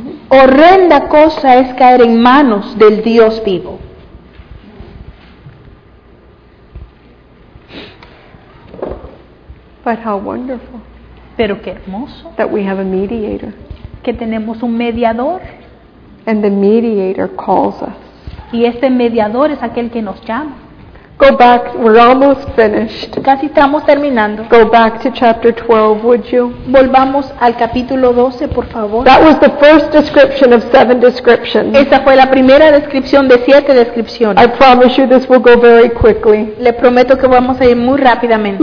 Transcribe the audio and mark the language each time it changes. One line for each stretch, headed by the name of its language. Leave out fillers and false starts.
Spanish: Horrenda cosa es caer en manos del Dios vivo.
English: But how wonderful.
Spanish: Pero qué hermoso.
English: That we have a mediator.
Spanish: Que tenemos un mediador.
English: And the mediator calls us.
Spanish: Y este mediador es aquel que nos llama.
English: Go back, we're almost finished.
Spanish: Casi estamos terminando.
English: Go back to chapter 12, would you?
Spanish: Volvamos al capítulo 12, por favor.
English: That was the first description of seven descriptions.
Spanish: Esa fue la primera descripción de siete descripciones.
English: I promise you this will go very quickly.
Spanish: Le prometo que vamos a ir muy rápidamente.